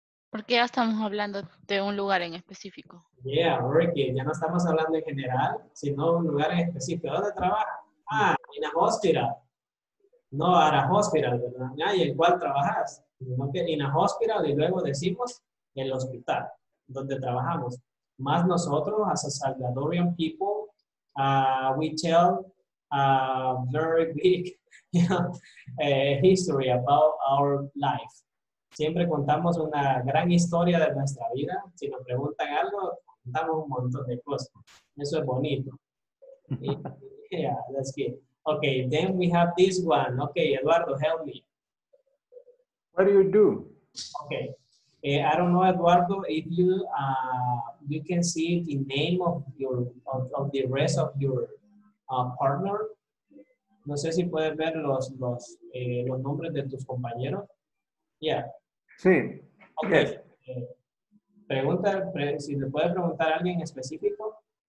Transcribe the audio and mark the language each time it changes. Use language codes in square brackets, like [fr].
[es] Porque ya estamos hablando de un lugar en específico. Yeah, Ricky, ya no estamos hablando en general, sino un lugar en específico. ¿Dónde trabaja? Ah, [en] in a hospital. [es] No, [en] at a hospital, [es] ¿verdad? Ah, ¿y en cuál trabajas? [en] In a hospital [es] y luego decimos el hospital. Donde trabajamos. Más nosotros, [en] as a Salvadorian people, we tell a very big history about our life. [es] Siempre contamos una gran historia de nuestra vida. Si nos preguntan algo, contamos un montón de cosas. Eso es bonito. [en] Yeah, that's good. Okay, then we have this one. Okay, Eduardo, help me. What do you do? Okay. I don't know, Eduardo, if you you can see the name of your of the rest of your partner. [es] No sé si puedes ver los nombres de tus compañeros. [en] Yeah. [es] Sí. [en] Okay. Yes. [es] Si le puedes preguntar a alguien en específico.